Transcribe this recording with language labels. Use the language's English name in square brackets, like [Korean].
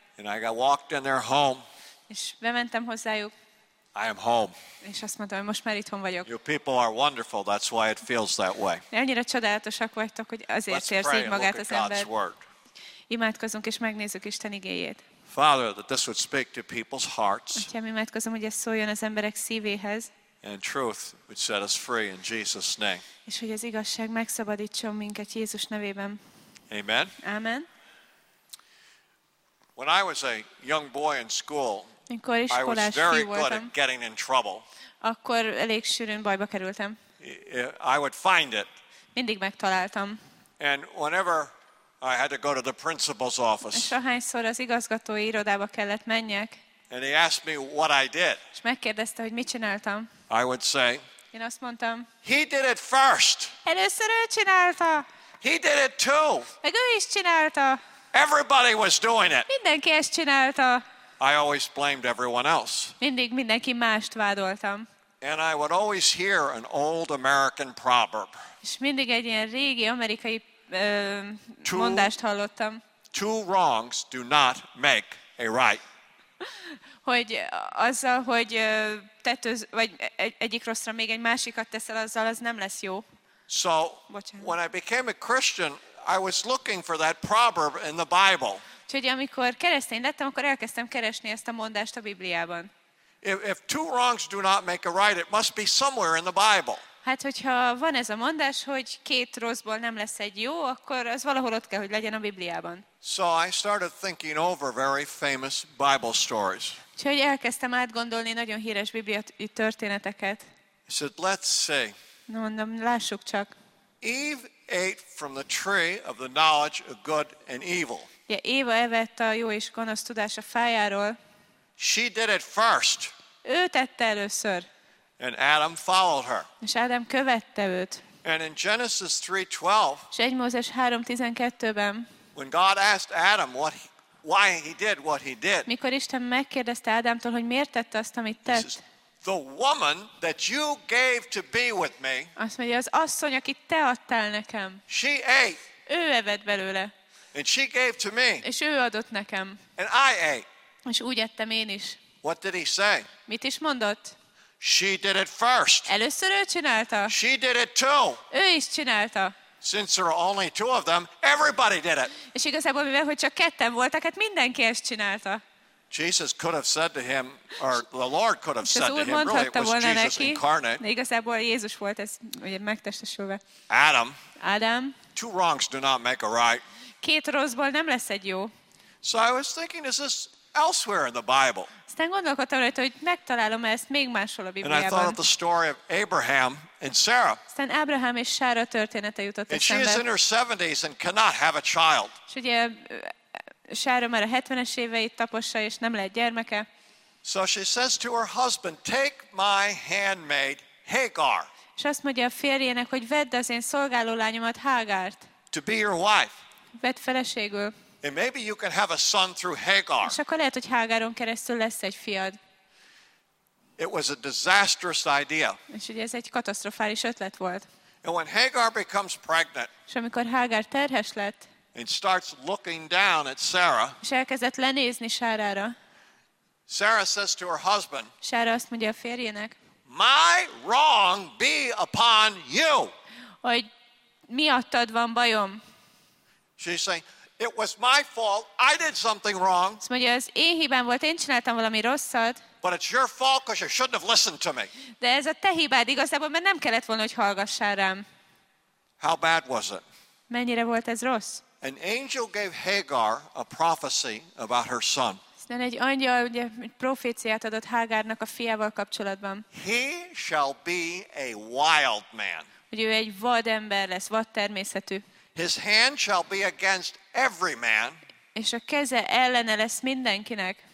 [English] And I got walked in their home. [Hungarian] És bementem hozzájuk. [English] I am home. [Hungarian] És azt mondtam, hogy most már itthon vagyok. [English] You people are wonderful. That's why it feels that way. [Hungarian] Ennyire csodálatosak vagytok, hogy azért érzi magát az ember. Imádkozunk és megnézzük Isten igéjét. [English] Father, that this would speak to people's hearts. [Hungarian] Atyám, imádkozom, hogy ez szóljon az emberek szívéhez. [English] And truth would set us free in Jesus' name. [Hungarian] És hogy az igazság megszabadítson minket Jézus nevében. [English] Amen. [Hungarian] Amen. [English] When I was a young boy in school, [Hungarian] mikor iskolás fiú voltam, akkor elég sűrűn bajba kerültem. [English] I would find it. [Hungarian] Mindig megtaláltam. [English] And whenever I had to go to the principal's office. [Hungarian] És ahányszor az igazgatói irodába kellett menjek. [English] And he asked me what I did. [Hungarian] És megkérdezte, hogy mit csináltam. [English] I would say. [Hungarian] Én azt mondtam. [English] He did it first. [Hungarian] Először ő csinálta. [English] He did it too. [Hungarian] Meg ő is csinálta. [English] Everybody was doing it. [Hungarian] Mindenki ezt csinálta. [English] I always blamed everyone else. [Hungarian] Mindig mindenki mást vádoltam. [English] And I would always hear an old American proverb. [Hungarian] És mindig egy ilyen régi amerikai mondást hallottam. [English] Two wrongs do not make a right. [Hungarian] Hogy azzal, hogy tetőz, vagy egyik rosszra még egy másikat teszel, azzal az nem lesz jó. [English] So, [Hungarian] bocsánat. [English] When I became a Christian, I was looking for that proverb in the Bible. [Hungarian] Úgyhogy amikor keresztény lettem, akkor elkezdtem keresni ezt a mondást a Bibliában. [English] If two wrongs do not make a right, it must be somewhere in the Bible. [Hungarian] Hát, hogyha van ez a mondás, hogy két rosszból nem lesz egy jó, akkor az valahol ott kell, hogy legyen a Bibliában. [English] So I started thinking over very famous Bible stories. [Hungarian] Úgyhogy elkezdtem átgondolni nagyon híres bibliai történeteket. [English] I said, let's see. [Hungarian] No, mondom, lássuk csak. [English] Eve ate from the tree of the knowledge of good and evil. [Hungarian] Ja, Éva evett a jó és gonosz tudás a fájáról. [English] She did it first. [Hungarian] Ő tette először. [English] And Adam followed her. [Hungarian] És Ádám követte őt. [English] And in Genesis 3:12. [Hungarian] És 1 Mózes 3:12-ben. [English] When God asked Adam why he did what he did. [Hungarian] Mikor Isten megkérdezte Ádámtól, hogy miért tette azt, amit tett. [English] The woman that you gave to be with me. [Hungarian] Azt mondja, az asszony, akit te adtál nekem. [English] She ate. [Hungarian] Ő evett belőle. [English] And she gave to me. [Hungarian] És ő adott nekem. [English] And I ate. [Hungarian] És úgy ettem én is. [English] What did he say? [Hungarian] Mit is mondott? [English] She did it first. [Hungarian] Először ő csinálta. [English] She did it too. [Hungarian] Ő is csinálta. [English] Since there are only two of them, everybody did it. [Hungarian] És igazából, mivel hogy csak ketten voltak, hát mindenki ezt csinálta. [English] Jesus could have said to him, or the Lord could have said to him, really it was Jesus [Hungarian] neki, [English] incarnate. [Hungarian] De igazából Jézus volt ez, ugye megtestesülve. [English] Adam. [Hungarian] Adam. [English] Two wrongs do not make a right. [Hungarian] Két rosszból nem lesz egy jó. [English] So I was thinking, is this elsewhere in the Bible? [Hungarian] Aztán gondolkodtam rajta, hogy megtalálom ezt még máshol a Bibliában. [English] And I thought of the story of Abraham and Sarah. [Hungarian] Aztán Abraham és Sára története jutott eszembe. [English] And she is in her 70s and cannot have a child. [Hungarian] És ugye Sára már a 70-es éveit tapossa, és nem lehet gyermeke. [English] So she says to her husband, take my handmaid Hagar. [Hungarian] És azt mondja a férjének, hogy vedd az én szolgáló lányomat Hágárt. [English] To be your wife. [Hungarian] Vedd feleségül. [English] And maybe you can have a son through Hagar. [Hungarian] És akkor lehet, hogy Hágáron keresztül lesz egy fiad. [English] It was a disastrous idea. [Hungarian] És ugye ez egy katasztrofális ötlet volt. [English] And when Hagar becomes pregnant. [Hungarian] És amikor Hágár terhes lett. [English] And starts looking down at Sarah. [Hungarian] És elkezdett lenézni Sárára. [English] Sarah says to her husband. [Hungarian] Sára azt mondja a férjének. [English] My wrong be upon you. [Hungarian] Hogy miattad van bajom. [English] She's saying. It was my fault. I did something wrong. [Hungarian] Mondja, az én hibám volt, én csináltam valami rosszat. [English] But it's your fault because you shouldn't have listened to me. [Hungarian] De ez a te hibád igazából, mert nem kellett volna, hogy hallgassál rám. [English] How bad was it? [Hungarian] Mennyire volt ez rossz? [English] An angel gave Hagar a prophecy about her son. [Hungarian] Szóval egy angyal ugye proféciát adott Hágárnak a fiával kapcsolatban. [English] He shall be a wild man. [Hungarian] Hogy ő egy vad ember lesz, vad természetű. [English] His hand shall be against every man. [Hungarian] És a keze ellene lesz mindenkinek.